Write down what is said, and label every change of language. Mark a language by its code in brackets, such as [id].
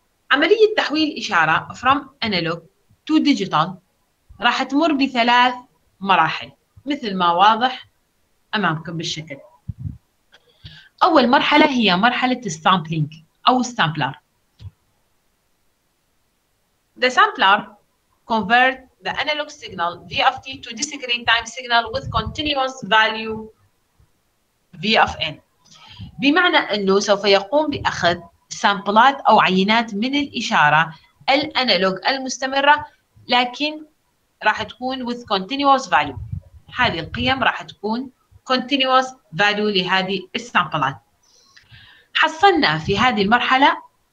[ar] عملية تحويل إشارة [en] from analog to digital [ar] راح تمر بثلاث مراحل مثل ما واضح أمامكم بالشكل. أول مرحلة هي مرحلة السامبلينج أو السامبلر. [en] The sampler convert the analog signal V of T to discrete time signal with continuous value V of N. [ar] بمعنى أنه سوف يقوم بأخذ سامبلات أو عينات من الإشارة الأنالوج المستمرة لكن راح تكون [en] with continuous value. [ar] هذه القيم راح تكون continuous value لهذه السامبلات. حصلنا في هذه المرحلة